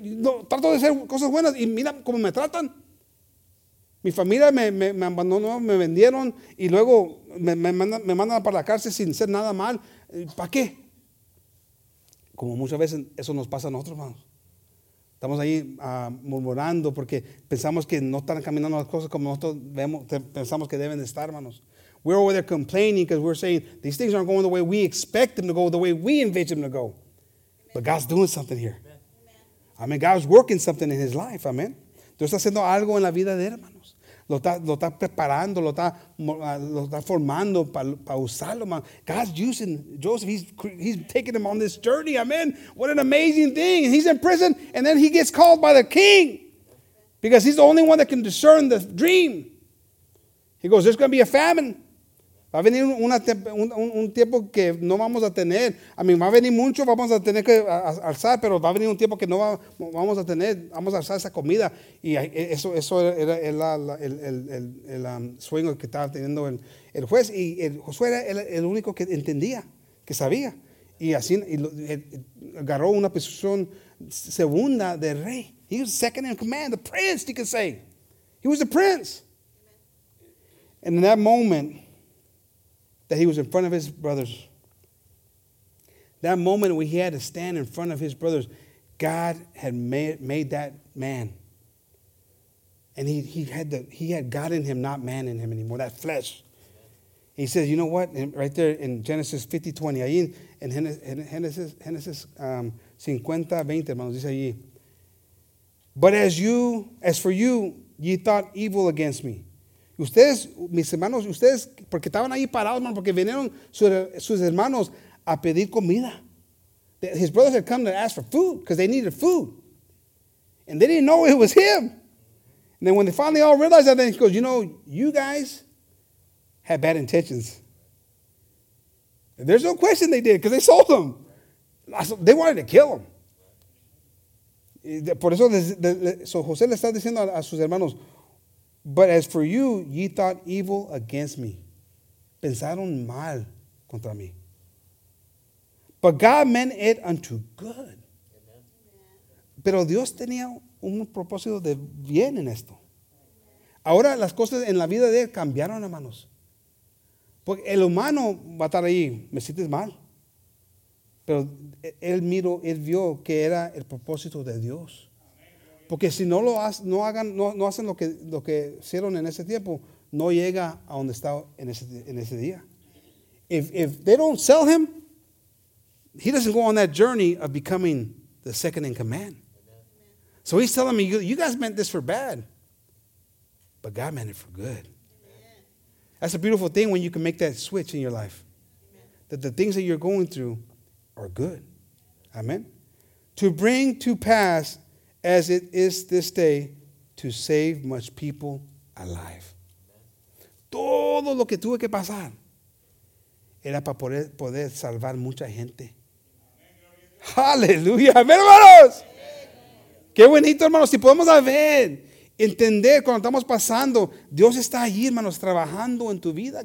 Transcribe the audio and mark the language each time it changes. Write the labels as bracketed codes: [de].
[es] No, trato de hacer cosas buenas y mira cómo me tratan. Mi familia me abandonó, me vendieron y luego me mandan para la cárcel sin hacer nada mal. ¿Para qué? Como muchas veces eso nos pasa a nosotros, hermanos. Estamos ahí murmurando porque pensamos que no están caminando las cosas como nosotros vemos, pensamos que deben estar, hermanos. [en] We're over there complaining because we're saying these things aren't going the way we expect them to go, the way we envision them to go. Amen. But God's doing something here. Amen. God's working something in his life. Amen. [es] Dios está haciendo algo en la vida de hermanos. Lo está preparando, lo está formando para usarlo. Man. [en] God's using Joseph. He's taking him on this journey. Amen. What an amazing thing. He's in prison, and then he gets called by the king because he's the only one that can discern the dream. He goes, there's going to be a famine. [es] Va a venir un tiempo que no vamos a tener. [en] I mean, [es] va a venir mucho, vamos a tener que alzar, pero va a venir un tiempo que no vamos a tener, vamos a alzar esa comida. Y eso era el sueño que estaba teniendo el juez. Y Josué era el único que entendía, que sabía. Y así agarró una posición segunda de rey. [en] He was second in command, the prince, you could say. He was the prince. And in that moment that he was in front of his brothers, that moment when he had to stand in front of his brothers, God had made that man. And he had God in him, not man in him anymore, that flesh. He says, you know what? And right there in Genesis 50, 20, [es] ahí en Genesis 50, 20, hermanos, dice allí, [en] but as for you, ye thought evil against me. [es] Ustedes, mis hermanos, ustedes, porque estaban ahí parados, hermano, porque vinieron sus hermanos a pedir comida. [en] His brothers had come to ask for food because they needed food. And they didn't know it was him. And then when they finally all realized that, then he goes, you know, you guys had bad intentions. And there's no question they did because they sold him. They wanted to kill him. [es] Por eso, [en] so [es] José le está diciendo a sus hermanos, [en] but as for you, ye thought evil against me. [es] Pensaron mal contra mí. [en] But God meant it unto good. [es] Pero Dios tenía un propósito de bien en esto. Ahora las cosas en la vida de él cambiaron, hermanos. Porque el humano va a estar ahí, me sientes mal. Pero él vio que era el propósito de Dios. Porque si no lo hacen, no hacen lo que hicieron en ese tiempo, no llega a donde está en ese día. [en] If they don't sell him, he doesn't go on that journey of becoming the second in command. So he's telling me, you guys meant this for bad, but God meant it for good. That's a beautiful thing when you can make that switch in your life. That the things that you're going through are good. Amen. To bring to pass as it is this day, to save much people alive. [es] Todo lo que tuve que pasar era para poder salvar mucha gente. Aleluya. Amén, hermanos. Qué bonito, hermanos. Si podemos ver, entender cuando estamos pasando, Dios está allí, hermanos, trabajando en tu vida.